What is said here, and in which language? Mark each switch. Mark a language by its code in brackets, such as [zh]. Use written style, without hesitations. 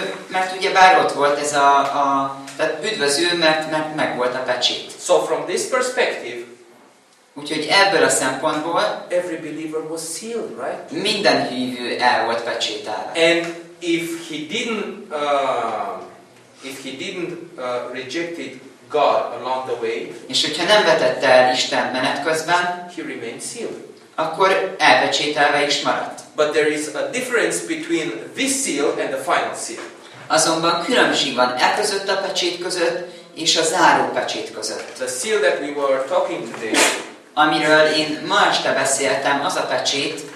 [hu] Mert ugye bár ott volt ez a tehát üdvözül, mert meg volt a pecsét. [en] So from this perspective, [hu] úgyhogy ebből a szempontból [en] every believer was sealed, right? [hu] Minden hívő el volt pecsételve. [en] And if he didn't reject it God along the way, [hu] és hogyha nem vetette el Isten menet közben, [en] he remained sealed. [hu] Akkor elpecsételve is maradt. [en] But there is a difference between this seal and the final seal. [hu] Azonban különbség van e között a pecsét között és a záró pecsét között. [en] The seal that we were talking today, [hu] amiről én ma este beszéltem, az a pecsét,